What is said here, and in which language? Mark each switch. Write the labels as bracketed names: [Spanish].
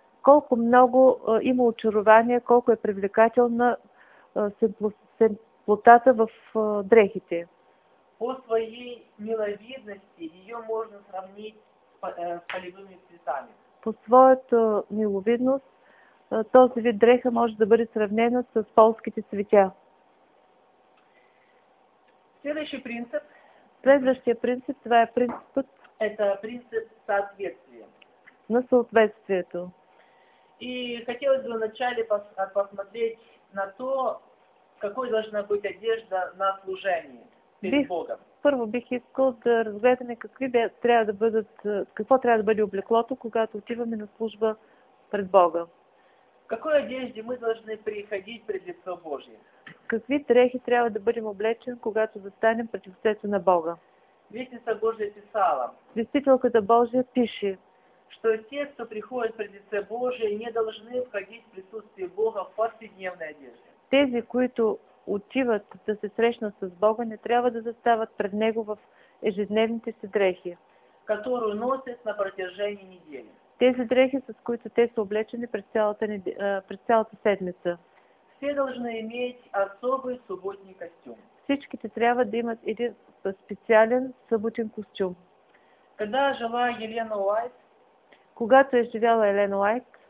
[Bulgarian] Колко много има очарование, колко е привлекателна симплотата в дрехите. [Russian] По своей миловидности ее можно сравнить с полевыми цветами. [Bulgarian] По своята миловидност този вид дреха може да бъде сравнена с полските цветя. [Russian] Следующий принцип. [Bulgarian] Следващия принцип, това е принципът. [Russian] Это принцип соответствия. [Bulgarian] На съответствието. [Russian] И хотелось бы вначале посмотреть на то, какой должна быть одежда на служение перед Богом. [Bulgarian] Първо бих искал да разгледаме какво трябва да бъде облеклото, когато отиваме на служба пред Бога. [Russian] В какой одежде мы должны приходить пред лицо Божие? [Bulgarian] Какви дрехи трябва да бъдем облечени, когато застанем пред лицето на Бога? [Russian] Вестница Божия писала. [Bulgarian] Вестителката Божия пише, [Russian] что те, кто приходят пред лице Божие, не должны входить в присутствие Бога в повседневной одежде. [Bulgarian] Тези, които отиват да се срещнат с Бога, не трябва да застават пред Него в ежедневните си дрехи. [Russian] Которую носят на протяжении недели. [Bulgarian] Тези дрехи, с които те са облечени през цялата седмица. [Russian] Все должны иметь особый субботний костюм. [Bulgarian] Всичките трябва да имат един специален съботен костюм. [Russian] Когда жила Елена Уайт, [Bulgarian] когато е живяла Елена Уайт,